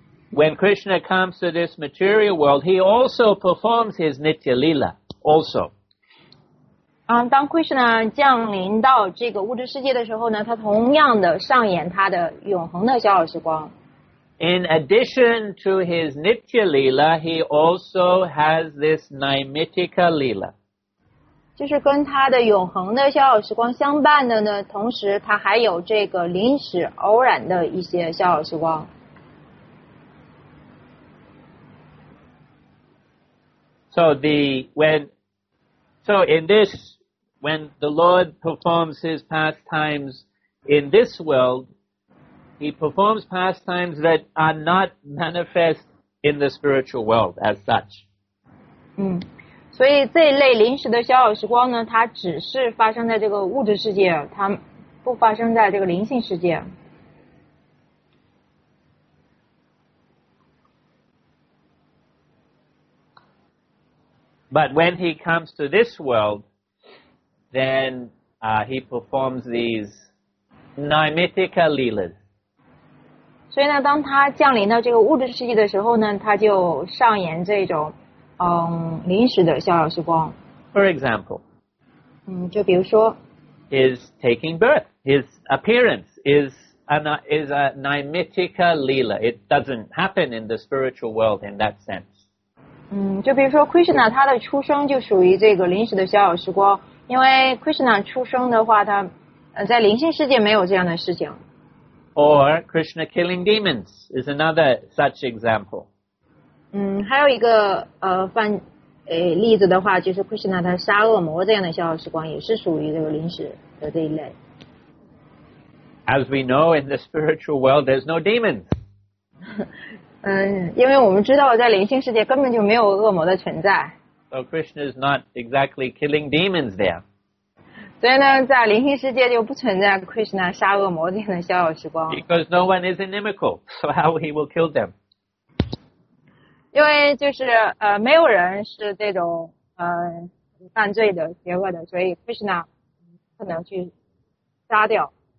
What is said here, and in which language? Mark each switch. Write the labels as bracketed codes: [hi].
[en] When Krishna comes to this material world, he also performs his Nitya Leela. Also. [zh] 当慧士呢降临到这个物质世界的时候呢，他同样的上演他的永恒的逍遥时光。 [en] In addition to his Nitya Leela, he also has this Naimittika Leela. [zh] 就是跟他的永恒的逍遥时光相伴的呢，同时他还有这个临时偶然的一些逍遥时光。 [en] So the, when, so in this, when the Lord performs his pastimes in this world,He performs pastimes that are not manifest in the spiritual world as such. [zh] 所以这一类临时的逍遥时光呢，它只是发生在这个物质世界，它不发生在这个灵性世界。 [en] But when he comes to this world, then he performs these Naimittika Leelas. [zh] 所以呢，当他降临到这个物质世界的时候呢，他就上演这种临时的逍遥时光。 [en] For example, [zh] 就比如说 [en] ，his taking birth, his appearance is a Naimittika Leela. It doesn't happen in the spiritual world in that sense. [zh] 就比如说 Krishna 他的出生就属于这个临时的逍遥时光，因为 Krishna 出生的话，他在灵性世界没有这样的事情。 [en] Or Krishna killing demons is another such example. [zh] 还有一个例子的话，就是 Krishna 他杀恶魔这样的逍遥时光，也是属于这个临时的这一类。 [en] As we know in the spiritual world, there's no demons. [zh] 因为我们知道在灵性世界根本就没有恶魔的存在。 [en] So Krishna is not exactly killing demons there. [zh] 所以呢，在灵性世界就不存在 Krishna 杀恶魔这样的逍遥时光。 [en] Because no one is inimical, so how he will kill them? [zh] 因为就是没有人是这种犯罪的邪恶的，所以 Krishna 不能去杀掉。